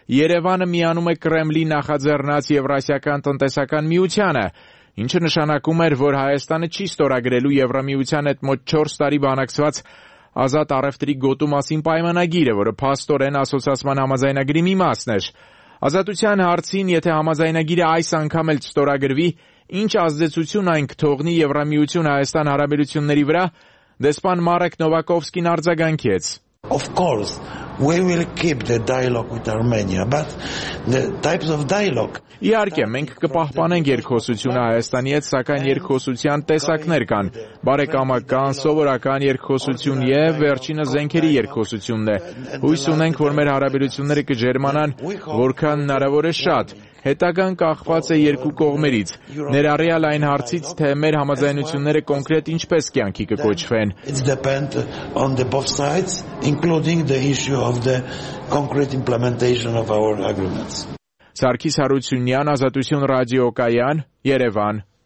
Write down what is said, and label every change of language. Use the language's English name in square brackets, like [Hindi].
[Armenian] Երևանը միանում է Կրեմլի նախաձեռնած Եվրասիական տնտեսական միությանը, ինչը նշանակում էր, որ Հայաստանը չի ստորագրելու Եվրամիության հետ մոտ 4 տարի բանակցված ազատ առևտրի գոտու մասին պայմանագիրը, որը փաստորեն ասոցիացման համաձայնագրի մի մասն էր։ Ազատության հարցին, եթե համաձայնագիրը այս անգամ էլ չստորագրվի, ինչ ազդեցություն այն կթողնի Եվրամիություն-Հայաստան հարաբերությունների վրա, դեսպան Մարեկ Նովակովսկին արձագանքեց. [English] Of course, we will keep the dialogue with Armenia, but the types of dialogue. [Armenian] Իհարկե, մենք կպահպանենք երկխոսությունը Հայաստանի հետ, սակայն երկխոսության տեսակներ կան. բարեկամական, սովորական երկխոսություն եւ վերջինը զենքերի երկխոսությունն է։ Հույս ունենք, որ մեր հարաբերությունները կջերմանան, որքան հնարավոր է շատ։ Հետագան կախված է երկու կողմերից, ներառյալ այն հարցից, թե մեր համաձայնությունները կոնկրետ ինչպես կյանքի կկոչվեն։ [English] It's depend on the both sides, including the issue of the concrete implementation of our agreements. [Armenian] Սարգիս Հարությունյան, Ազատություն ռադիոկայան, Երևան։